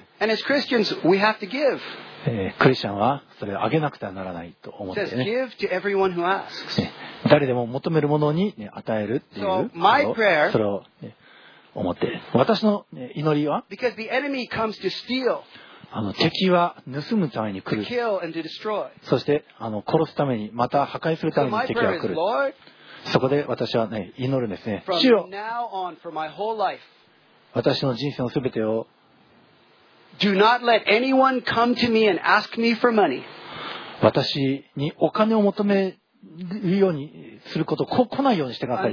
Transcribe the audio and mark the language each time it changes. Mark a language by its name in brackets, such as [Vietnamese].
[English] And as Christians, we have to give. [Japanese] クリスチャンはそれをあげなくてはならないと思ってね。 [English] Says, give to everyone who asks. [Japanese] 誰でも求めるものに、ね、与えるっていう、 [English] so, my prayer, [Japanese] それを、ね、思って私の、ね、祈りは [English] Because the enemy comes to steal, [Japanese] 敵は盗むために来る [English] to kill and to destroy. [Japanese] そして殺すためにまた破壊するために敵は来る、 [English] so、my prayer is, Lord, [Japanese] そこで私は、ね、祈るんですね [English] From [Japanese] 主よ [English] now on, for my whole life. [Japanese] 私の人生のすべてを [English] Do not let anyone come to me and ask me for money. [Japanese] 私にお金を求めるようにすること、来ないようにしてください。